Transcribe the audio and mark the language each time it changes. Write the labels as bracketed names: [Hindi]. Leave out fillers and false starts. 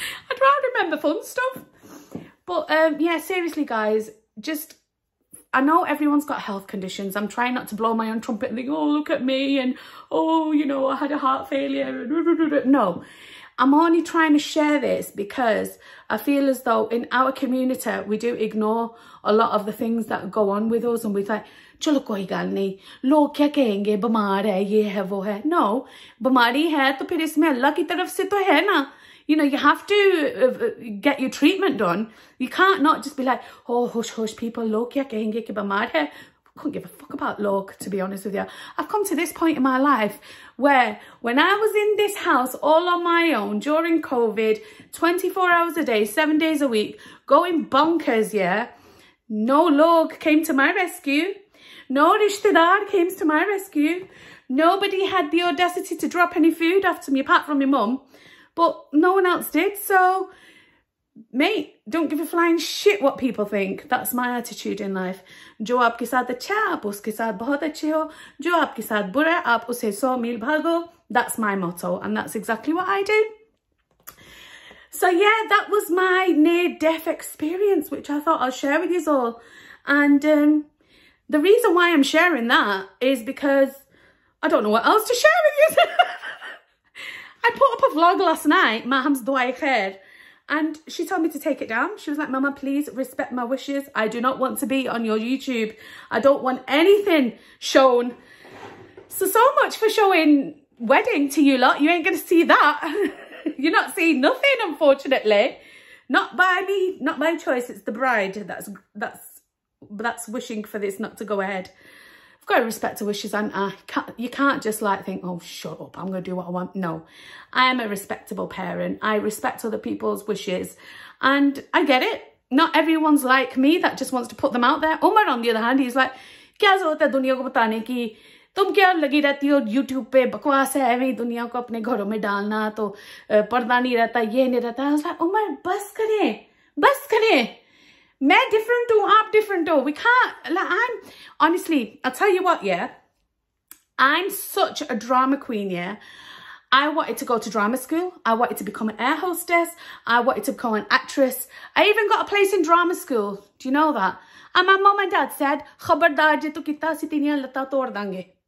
[English] I'd rather remember fun stuff. But yeah, seriously, guys, just, I know everyone's got health conditions. I'm trying not to blow my own trumpet and think, oh, look at me. And, oh, you know, I had a heart failure. No, I'm only trying to share this because I feel as though in our community, we do ignore a lot of the things that go on with us. [Urdu] اور [English] we're like، [Urdu] چلو کوئی گل نہیں، لوگ کیا کہیں گے، بیمار ہے، یہ ہے، وہ ہے۔ No، بیماری ہے تو پھر اس میں اللہ کی طرف سے تو ہے نا۔ [English] You know, you have to get your treatment done. You can't not just be like, oh, hush, hush, people, [Urdu] log kya kahenge ki bimar hai. [English] Couldn't give a fuck about log, to be honest with you. I've come to this point in my life where when I was in this house all on my own during COVID, 24 hours a day, 7 days a week, going bonkers, yeah, no log came to my rescue. No rishtedar came to my rescue. Nobody had the audacity to drop any food after me, apart from my mum. But no one else did. So, mate, don't give a flying shit what people think. That's my attitude in life. [Urdu] جو آپ کے ساتھ اچھا ہے، آپ اس کے ساتھ بہت اچھے ہو۔ جو آپ کے ساتھ برا ہے، آپ اس سے 100 میل بھاگو۔ [English] That's my motto. And that's exactly what I do. So, yeah, that was my near-death experience, which I thought I'd share with you all. And, the reason why I'm sharing that is because I don't know what else to share with you. I put up a vlog last night, Maham's Dua e Khair, and she told me to take it down. She was like, Mama, please respect my wishes. I do not want to be on your YouTube. I don't want anything shown. So much for showing wedding to you lot. You ain't going to see that. You're not seeing nothing, unfortunately. Not by me, not by choice. It's the bride that's wishing for this not to go ahead. I've got respect to wishes, and you can't just like think, oh, shut up, I'm gonna do what I want. No, I am a respectable parent. I respect other people's wishes, and I get it. Not everyone's like me that just wants to put them out there. [Urdu] Umar, [English] on the other hand، he's like، [Urdu] کیا ضرورت ہے دنیا کو بتانے کی تم کیا لگی رہتی ہو YouTube پہ، بکواس ہے یہ دنیا کو اپنے گھروں میں ڈالنا، تو پردہ نہیں رہتا، یہ نہیں رہتا۔ [English] I was like، [Urdu] عمر، بس کرے۔ [English] Men different do, I'm different do. We can't, like, I'm, honestly, I'll tell you what, yeah. I'm such a drama queen, yeah. I wanted to go to drama school. I wanted to become an air hostess. I wanted to become an actress. I even got a place in drama school. Do you know that? And my mom and dad said, [Punjabi] khabardar je tu kita si tini lata tod dange.